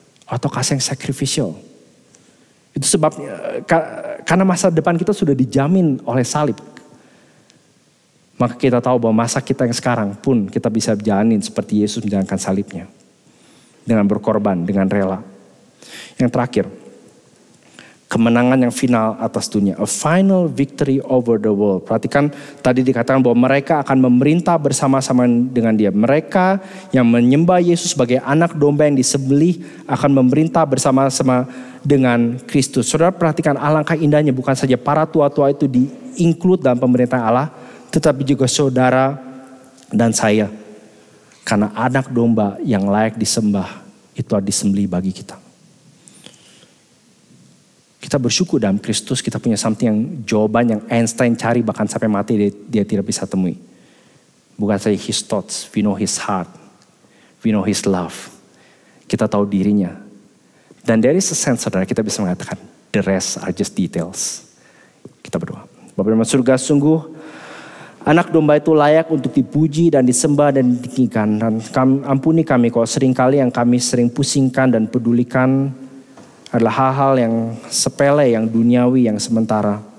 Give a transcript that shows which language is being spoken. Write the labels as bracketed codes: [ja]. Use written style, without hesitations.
[id] Atau kasih yang sacrificial? Itu sebabnya, karena masa depan kita sudah dijamin oleh salib. Maka kita tahu bahwa masa kita yang sekarang pun kita bisa jalanin seperti Yesus menjalankan salibnya. Dengan berkorban, dengan rela. Yang terakhir, kemenangan yang final atas dunia. [en] A final victory over the world. [id] Perhatikan tadi dikatakan bahwa mereka akan memerintah bersama-sama dengan dia. Mereka yang menyembah Yesus sebagai anak domba yang disembelih akan memerintah bersama-sama dengan Kristus. Saudara perhatikan alangkah indahnya, bukan saja para tua-tua itu di-include dalam pemerintahan Allah. Tetapi juga saudara dan saya. Karena anak domba yang layak disembah. Itu adalah disembelih bagi kita. Kita bersyukur dalam Kristus. Kita punya something yang jawaban yang Einstein cari. Bahkan sampai mati dia tidak bisa temui. Bukan saja [en] his thoughts. We know his heart. We know his love. [id] kita tahu dirinya. Dan [en] there is a sense, [id] saudara, kita bisa mengatakan, [en] the rest are just details. [id] Kita berdoa. Bapa dalam surga, sungguh anak domba itu layak untuk dipuji dan disembah dan ditinggikan. Dan kami, ampuni kami kalau seringkali yang kami sering pusingkan dan pedulikan adalah hal-hal yang sepele, yang duniawi, yang sementara.